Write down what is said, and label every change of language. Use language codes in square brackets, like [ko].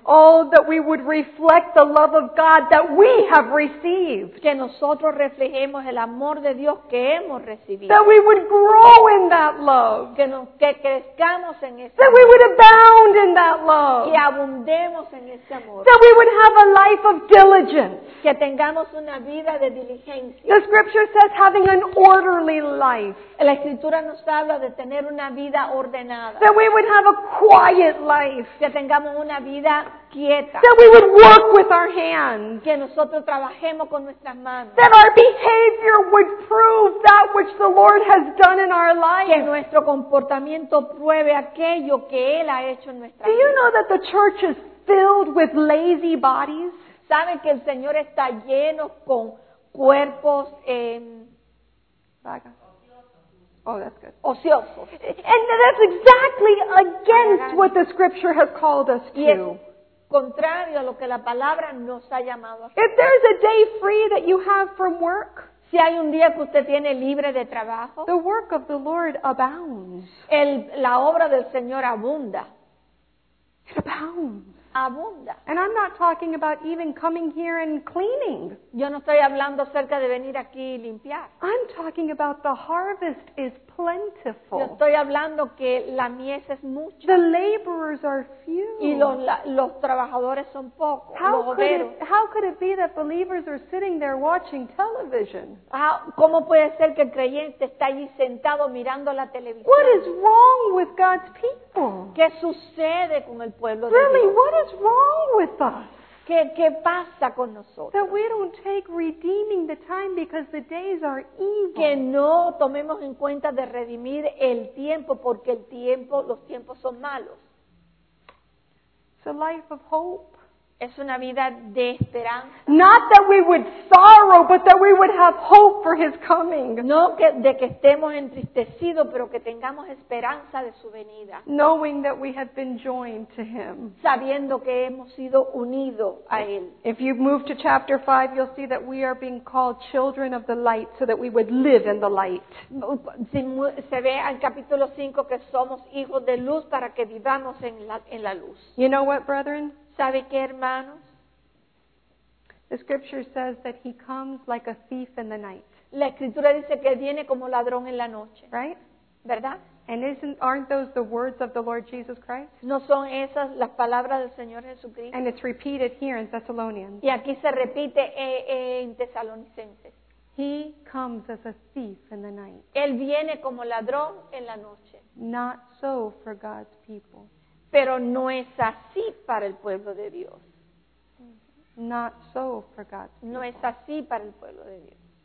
[en] Oh, that we would reflect the love of God that we have received. [es] Que nosotros reflejemos el amor de Dios que hemos recibido. [en] That we would grow in that love. [es] Que crezcamos en ese [en] that [es] amor. [en] We would abound in that love. [es] Que abundemos en ese amor. [en] That we would have a life of diligence. [es] Que tengamos una vida de diligencia. [en] The scripture says having an orderly life. [es] La escritura nos habla de tener una vida ordenada. [en] That we would have a quiet life. [es] Que tengamos una vida quieta. [en] That we would work with our hands. [es] Que nosotros trabajemos con nuestras manos. [en] That our behavior would prove that which the Lord has done in our life. [es] Que nuestro comportamiento pruebe aquello que Él ha hecho en nuestra vida. [en] Do you know that the church is filled with lazy bodies? [es] ¿Saben que el Señor está lleno con cuerpos vagos? [en] Oh, that's good. [es] Ociosos. [en] And that's exactly against what the scripture has called us to. Yes. [es] Contrario a lo que la palabra nos ha llamado a hacer. [en] If there's a day free that you have from work, [es] si hay un día que usted tiene libre de trabajo, [en] the work of the Lord abounds. [es] La obra del Señor abunda. [en] It abounds. [es] Abunda. [en] And I'm not talking about even coming here and cleaning. [es] Yo no estoy hablando acerca de venir aquí y limpiar. [en] I'm talking about the harvest is plentiful. [es] Yo estoy hablando que la mies es mucha. [en] The laborers are few. [es] Y los trabajadores son pocos. [en] How could it be that believers are sitting there watching television? [es] ¿Cómo puede ser que el creyente está allí sentado mirando la televisión? [en] What is wrong with God's people? [es] ¿Qué sucede con el pueblo de [en] really, [es] Dios? [en] What is wrong with us? [es] ¿Qué pasa con nosotros? [en] That we don't take redeeming the time because the days are evil. [es] Que no tomemos en cuenta de redimir el tiempo porque los tiempos son malos. [en] It's a life of hope. [es] Es una vida de esperanza. [en] Not that we would sorrow, but that we would have hope for His coming. [es] No de que estemos entristecidos, pero que tengamos esperanza de su venida. [en] Knowing that we have been joined to Him. [es] Sabiendo que hemos sido unidos a Él. [en] If you move to chapter 5, you'll see that we are being called children of the light, so that we would live in the light. [es] Se ve en capítulo 5 que somos hijos de luz para que vivamos en la luz. [en] You know what, brethren? [es] ¿Sabe qué, hermanos? [en] The scripture says that he comes like a thief in the night. [es] La escritura dice que viene como ladrón en la noche. [en] Right? [es] ¿Verdad? [en] And aren't those the words of the Lord Jesus Christ? [es] ¿No son esas las palabras del Señor Jesucristo? [en] And it's repeated here in Thessalonians. [es] Y aquí se repite en Tesalonicenses. [en] He comes as a thief in the night. [es] Él viene como ladrón en la noche. [en] Not so for God's people. [es] Pero no es así para el pueblo de Dios. [en] Not so for God's people. [es] No es así para el pueblo de Dios.